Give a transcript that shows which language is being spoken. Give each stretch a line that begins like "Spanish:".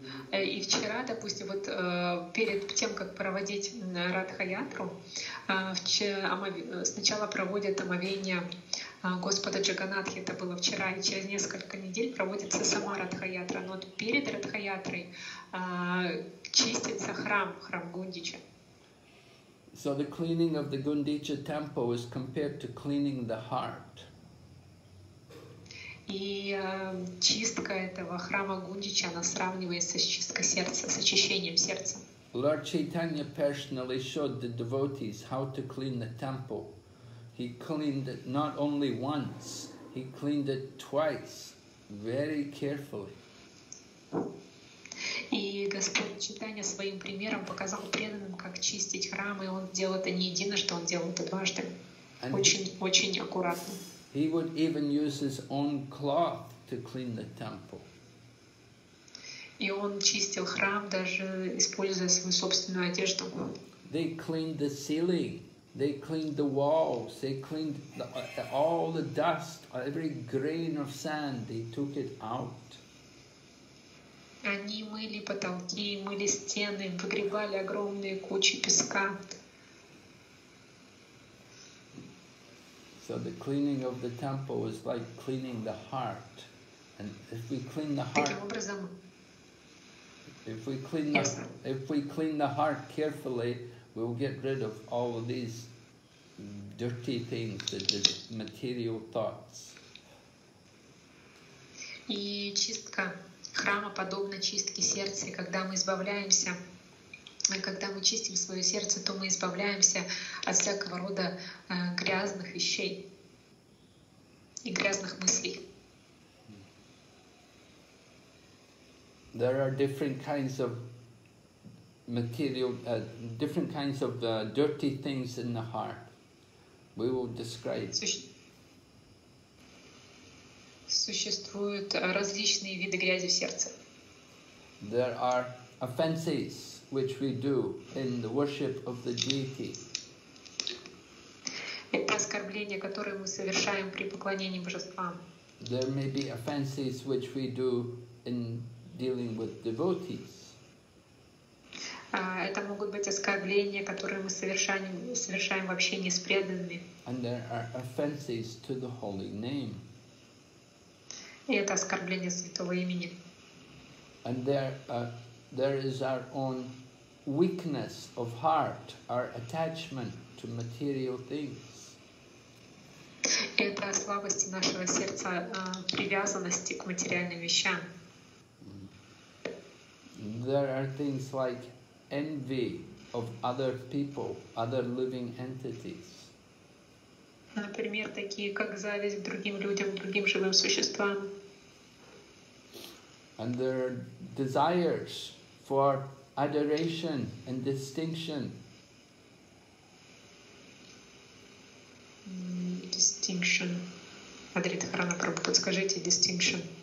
Russian: И вчера, допустим, вот перед тем, как проводить Радха-ятру, сначала проводят омовение Господа Джаганатхи, это было вчера, и через несколько недель проводится сама Радха-ятра. Но вот перед Радха-ятрой чистится храм Гундича.
English: So the cleaning of the Gundicha temple is compared to cleaning the heart.
Russian: И чистка этого храма Гундича, она сравнивается с чисткой сердца, с очищением сердца.
English: Lord Chaitanya personally showed the devotees how to clean the temple. He cleaned it not only once, he cleaned it twice, very carefully.
Russian: И Господь Чайтанья своим примером показал преданным, как чистить храм, и он делал это не единожды, он делал это дважды, очень-очень аккуратно.
English: He would even use his own cloth to clean the temple.
Russian: И он чистил храм, даже используя свою собственную одежду.
English: They cleaned the ceiling, they cleaned the walls, they cleaned all the dust, every grain of sand, they took it out.
Russian: Они мыли потолки, мыли стены, выгребали огромные кучи песка.
English: So the cleaning of the temple is like cleaning the heart, and if we clean the heart, if we clean the heart carefully, we will get rid of all of these dirty things, the material thoughts.
Russian: И чистка храма подобна чистке сердца. Когда мы избавляемся, когда мы чистим свое сердце, то мы избавляемся от всякого рода грязных вещей и грязных мыслей.
English: There are different kinds of dirty things in the heart. We will describe.
Russian: Существуют различные виды грязи в сердце.
English: There are offenses which we do in the worship of the deity.
Russian: Это оскорбления, которые мы совершаем при поклонении божествам.
English: There may be offenses which we do in dealing with devotees.
Russian: Это могут быть оскорбления, которые мы совершаем в общении с преданными.
English: And there are offenses to the holy name.
Russian: И это оскорбление святого имени.
English: And there is our own weakness of heart, our attachment to material things.
Russian: Это слабость нашего сердца, привязанности к материальным вещам.
English: There are things like envy of other people, other living entities.
Russian: Например, такие как зависть к другим людям, другим живым существам.
English: And there are desires for adoration and distinction. Distinction.
Russian: Адрита Храна Прабху, подскажите
English: distinction.